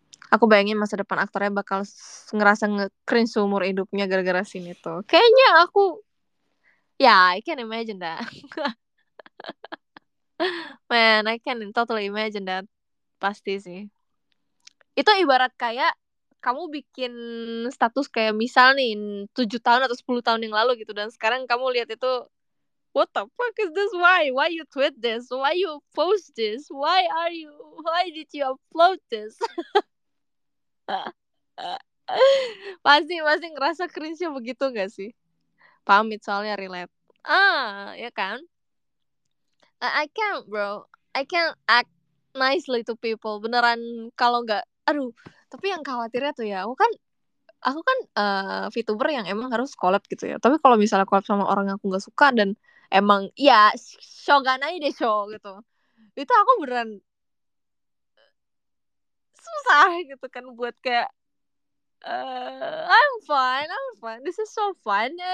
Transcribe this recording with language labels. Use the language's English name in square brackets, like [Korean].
[Indonesian] Aku bayangin masa depan aktornya bakal ngerasa nge-cringe seumur hidupnya gara-gara sini tuh. Kayaknya aku, ya [English] yeah, I can imagine that. Man, I can totally imagine that. [Indonesian] Pasti sih. Itu ibarat kayak kamu bikin status kayak misal nih 7 tahun atau 10 tahun yang lalu gitu, dan sekarang kamu lihat itu, [English] what the fuck is this? Why you tweet this? Why you post this? Why are you? Why did you upload this? [Indonesian] Pasti ngerasa cringe-nya begitu gak sih? Pamit soalnya relate. Ah, ya kan? [English] I can't, bro. I can't act nicely to people. [Indonesian] Beneran kalau gak, aduh. Tapi yang khawatirnya tuh ya, aku kan VTuber yang emang harus collab gitu ya. Tapi kalau misalnya collab sama orang yang aku gak suka dan emang ya shogun aja deh show gitu. Itu aku beneran susah gitu kan buat kayak [English] I'm fine. This is so fun.